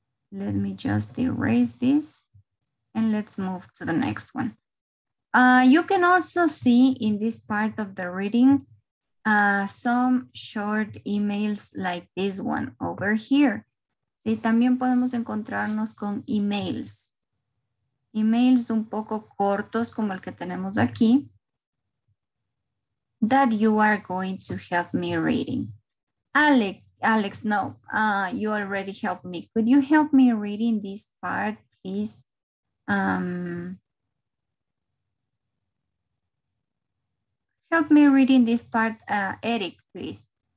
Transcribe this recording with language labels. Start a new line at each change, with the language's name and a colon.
English: Let me just erase this and let's move to the next one. You can also see in this part of the reading some short emails like this one over here.
Spanish: Sí, también podemos encontrarnos con emails. Emails un poco cortos como el que tenemos aquí.
English: That you are going to help me reading. Alex, no, you already helped me. Could you help me reading this part, please? Help me reading this part, Eric, please.